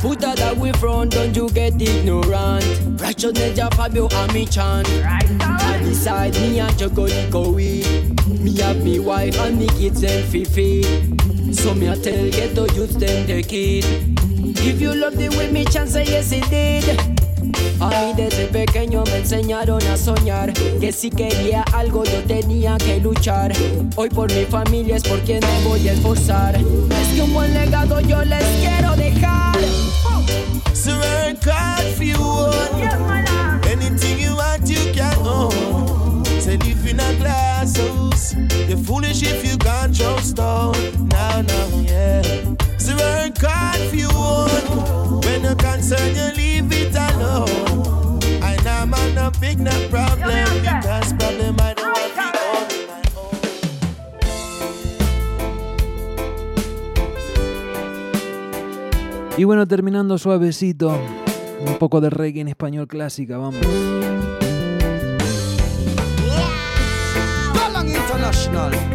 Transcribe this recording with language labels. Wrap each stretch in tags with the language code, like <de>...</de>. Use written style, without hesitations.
<en>put out that way front, don't you get ignorant. Righteousness, Jah Fabio and me chant. Right, beside me and Jah Goli Goi. Me have me wife and me kids and Fifi. So me a tell ghetto youth then take it. If you love the way me chance, yes indeed.</en> <es>A mí desde pequeño me enseñaron a soñar. Que si quería algo yo tenía que luchar. Hoy por mi familia es por quien me voy a esforzar. Es que un buen legado yo les quiero dejar.</es> <en>So work hard if you want. Anything you want you can own. Say live in a glass house. You're foolish if you can't throw stone. Now, now, yeah. So work hard if you want. When you're concerned you leave it alone. And I'm on a big no problem. Because problem I don't want to be on my own.</en> <es>Y bueno, terminando suavecito, un poco de reggae en español clásica, vamos. Balang International.</es>